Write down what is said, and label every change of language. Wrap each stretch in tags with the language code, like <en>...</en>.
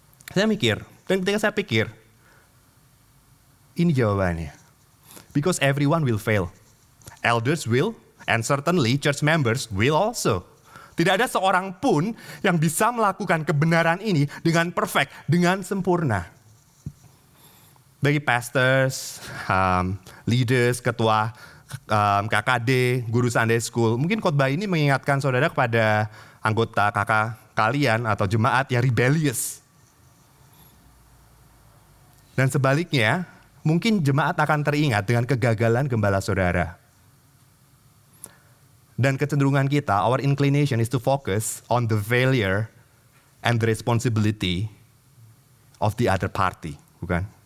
<id>Saya mikir, dan ketika saya pikir, ini jawabannya.</id> <en>Because everyone will fail. Elders will, and certainly church members will also.</en> <id>Tidak ada seorang pun yang bisa melakukan kebenaran ini dengan perfect, dengan sempurna. Bagi pastors, leaders, ketua KKD, guru Sunday School, mungkin khotbah ini mengingatkan saudara kepada anggota kakak kalian atau jemaat yang rebellious. Dan sebaliknya, mungkin jemaat akan teringat dengan kegagalan gembala saudara. Dan kecenderungan kita,</id> <en>our inclination is to focus on the failure and the responsibility of the other party,</en> <id>bukan?</id>